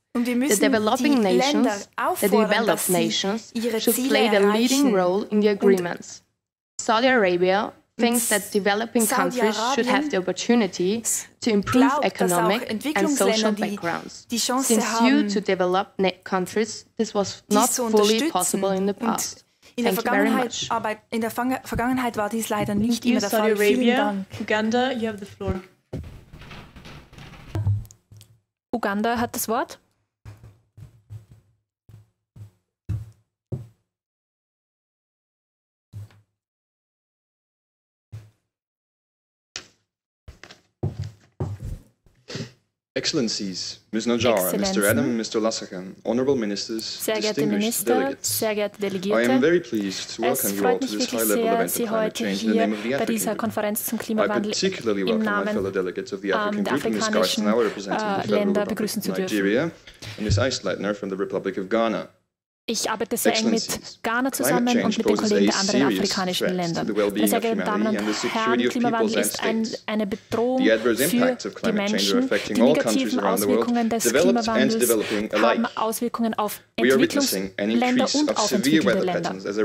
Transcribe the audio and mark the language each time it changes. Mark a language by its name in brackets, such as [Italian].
[English] The developing nations, should play the leading role in the agreements. Saudi Arabia thinks that developing countries should have the opportunity to improve economic and social backgrounds. Since due to developed countries, this was not fully possible in the past. [German] In der Vergangenheit, aber in der Vergangenheit war dies leider nicht immer der Fall. Vielen Dank. [English] Uganda, you have the floor. [German] Uganda hat das Wort. [English] Excellencies, Ms. Najjar, Mr. Adam, Mr. Lassacan, Honorable Ministers, [German] sehr geehrte Minister, sehr geehrte Delegierte, [English] I am very pleased to welcome you all to this high level event of climate change in the name of the African Kingdom. I particularly welcome my fellow delegates of the African Group, Ms. Garston, now representing the Federal Republic of Nigeria, and Ms. Eisleitner from the Republic of Ghana. [German] Ich arbeite sehr eng mit Ghana zusammen und mit den Kollegen der anderen afrikanischen Länder. Meine sehr geehrten Damen und Herren, Klimawandel ist eine Bedrohung für die Menschen. Die negativen Auswirkungen des Klimawandels haben Auswirkungen auf Entwicklungsländer und auf entwickelte Länder.